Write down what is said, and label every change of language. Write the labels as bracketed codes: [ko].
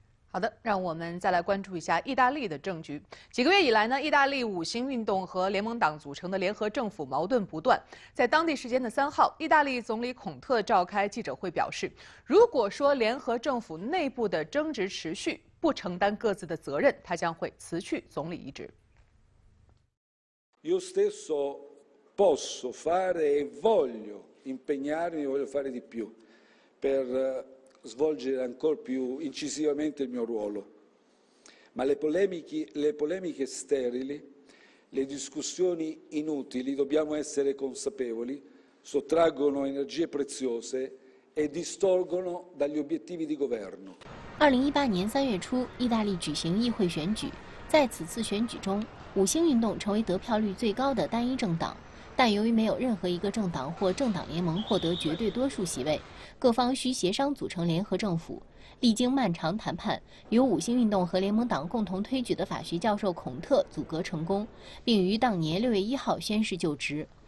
[zh] 好的，让我们再来关注一下意大利的政局。几个月以来呢，意大利五星运动和联盟党组成的联合政府矛盾不断。在当地时间的3号，意大利总理孔特召开记者会表示，如果说联合政府内部的争执持续，不承担各自的责任，他将会辞去总理一职。 [it] Io stesso posso fare e voglio impegnarmi, voglio fare di più per svolgere ancora più incisivamente il mio ruolo. Ma le polemiche sterili, le discussioni inutili, dobbiamo essere consapevoli, sottraggono energie preziose e distolgono dagli obiettivi di governo. [zh] 2018年3月初，意大利举行议会选举，在此次选举中，五星运动成为得票率最高的单一政党。但由于没有任何一个政党或政党联盟获得绝对多数席位，各方需协商组成联合政府。历经漫长谈判，由五星运动和联盟党共同推举的法学教授孔特阻隔成功，并于当年6月1号宣誓就职。